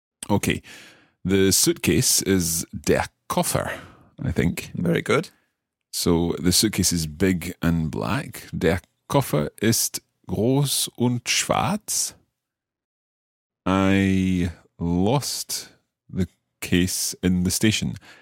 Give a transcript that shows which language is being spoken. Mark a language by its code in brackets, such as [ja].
[en] Okay. The suitcase is der Koffer, I think. Very good. So the suitcase is big and black. [de] Der Koffer ist groß und schwarz. [en] I lost the case in the station.